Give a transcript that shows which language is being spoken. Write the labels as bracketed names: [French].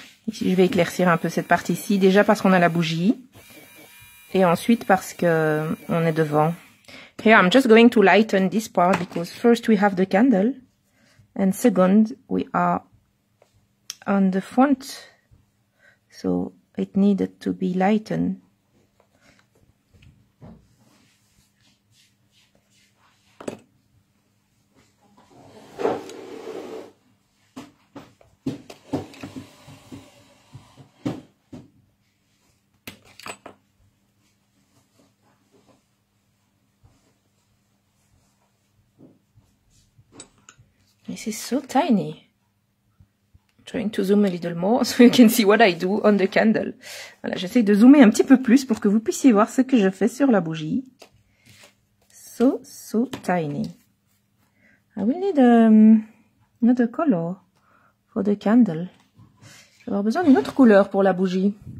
[French] Ici, je vais éclaircir un peu cette partie-ci, déjà parce qu'on a la bougie, et ensuite parce que on est devant. [English] Here, I'm just going to lighten this part because first we have the candle, and second we are on the front, so it needed to be lightened. This is so tiny. I'm trying to zoom a little more so you can see what I do on the candle. [French] Voilà, j'essaie de zoomer un petit peu plus pour que vous puissiez voir ce que je fais sur la bougie. [English] So, so tiny. I will need another color for the candle. [French] Je vais avoir besoin d'une autre couleur pour la bougie.